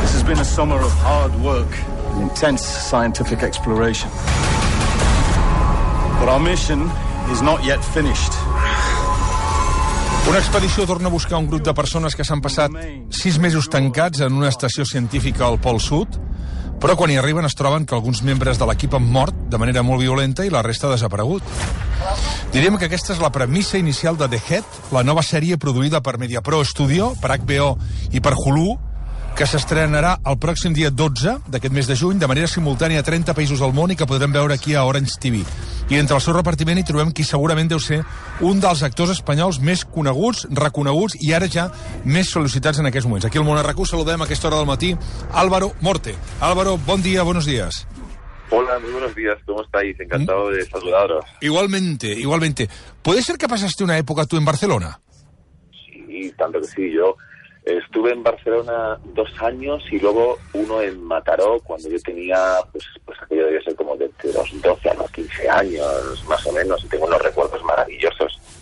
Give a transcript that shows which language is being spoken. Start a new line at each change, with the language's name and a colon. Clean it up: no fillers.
English: been a summer of hard work and intense scientific exploration. But our mission is not yet finished.
Catalan: Una expedició torna a buscar un grup de persones que s'han passat 6 mesos tancats en una estació científica al Pol Sud, però quan hi arriben es troben que alguns membres de l'equip han mort de manera molt violenta i la resta ha desaparegut. Diríem que aquesta és la premissa inicial de The Head, la nova sèrie produïda per MediaPro Studio, per HBO i per Hulu, que s'estrenarà el pròxim dia 12 d'aquest mes de juny de manera simultània a 30 països del món i que podrem veure aquí a Orange TV. I entre el seu repartiment hi trobem qui segurament deu ser un dels actors espanyols més coneguts, reconeguts i ara ja més sol·licitats en aquests moments. Aquí al Mona Racú saludem a aquesta hora del matí Álvaro Morte. Álvaro, bon dia,
Spanish: buenos días. Hola, muy buenos días, ¿cómo estáis? Encantado de saludaros. Igualmente. ¿Puede ser que pasaste una época tú en Barcelona? Sí, tanto que sí. Yo estuve en Barcelona 2 años y luego uno en Mataró cuando yo tenía, pues aquello debía ser como de los 12 a los 15 años, más o menos, y tengo unos recuerdos maravillosos.